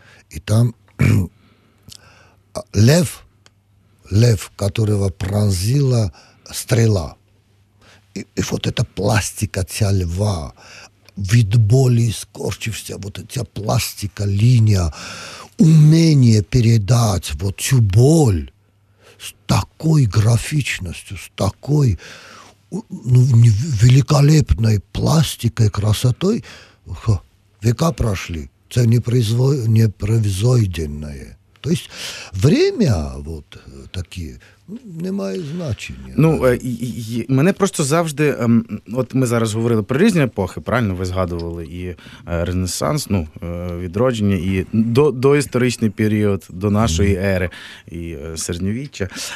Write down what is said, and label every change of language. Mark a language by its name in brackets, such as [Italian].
[Russian] І там лев, которого пронзила стріла. [Ukrainian] І от ця пластика, ця льва, від болі скорчився, от ця пластика, лінія, [Russian] умение передать вот всю боль с такой графичностью, с такой великолепной пластикой, красотой, века прошли, это непревзойденное. То есть время вот такие... [Ukrainian] Не має значення. Ну, мене просто завжди, от ми зараз говорили про різні епохи, правильно, ви згадували і Ренесанс, ну, відродження, і доісторичний період, до нашої ери, і середньовіччя.